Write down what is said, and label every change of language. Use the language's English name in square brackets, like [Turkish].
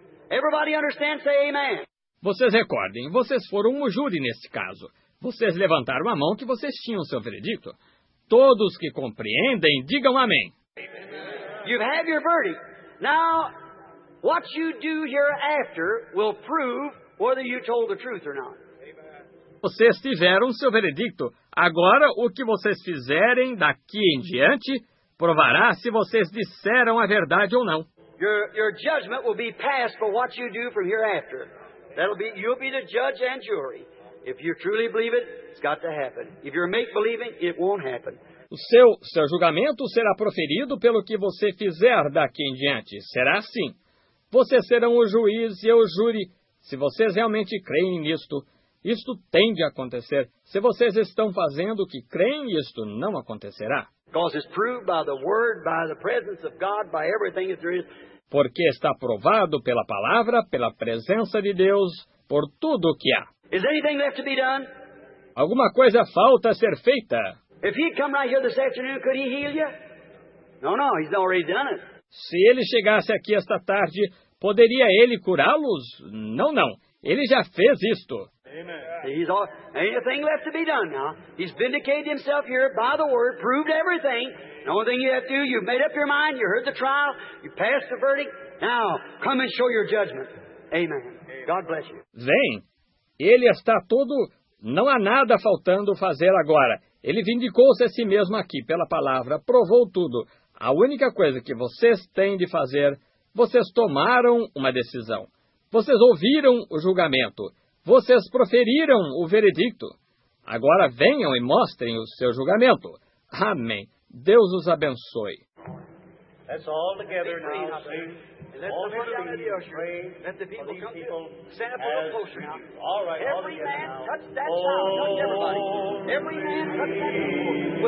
[English] Everybody understand? Say amen. [Portuguese] Vocês recordem, vocês foram o júri neste caso. Vocês levantaram a mão que vocês tinham seu veredicto. Todos que compreendem, digam amém. [English] You have your verdict. Now, what you do hereafter will prove whether you told the truth or not. [Portuguese] Vocês tiveram seu veredicto. Agora, o que vocês fizerem daqui em diante provará se vocês disseram a verdade ou não. [English] Your judgment will be passed for what you do from hereafter. You'll be the judge and jury. If you truly believe it, it's got to happen. If you're make-believing, it won't happen. [Portuguese] O seu julgamento será proferido pelo que você fizer daqui em diante. Será assim. Vocês serão o juiz e eu o júri. Se vocês realmente creem nisto, isto tem de acontecer. Se vocês estão fazendo o que creem, isto não acontecerá. [English] Because it's proved by the word, by the presence of God, by everything that there is. [Portuguese] Porque está provado pela palavra, pela presença de Deus, por tudo o que há. [English] Is anything left to be done? [Portuguese] Alguma coisa falta a ser feita? [English] If he'd come right here this afternoon, could he heal you? No, he's already done it. [Portuguese] Se ele chegasse aqui esta tarde, poderia ele curá-los? Não, ele já fez isto. [English] Amen. He's all, anything left to be done now? He's vindicated himself here by the word, proved everything. The only thing you have to do, you've made up your mind, you heard the trial, you passed the verdict. Now, come and show your judgment. Amen. God bless you. [Portuguese] Vem. Ele está todo. Não há nada faltando fazer agora. Ele vindicou-se a si mesmo aqui pela palavra, provou tudo. A única coisa que vocês têm de fazer, vocês tomaram uma decisão. Vocês ouviram o julgamento. Vocês proferiram o veredicto. Agora venham e mostrem o seu julgamento. Amém. Deus os abençoe. [English] That's all together now, sir. Let the people come to the Let the people come to the ushering. Stand up a little closer now. All right, every man touch that child. Touch everybody. Every man touch that child.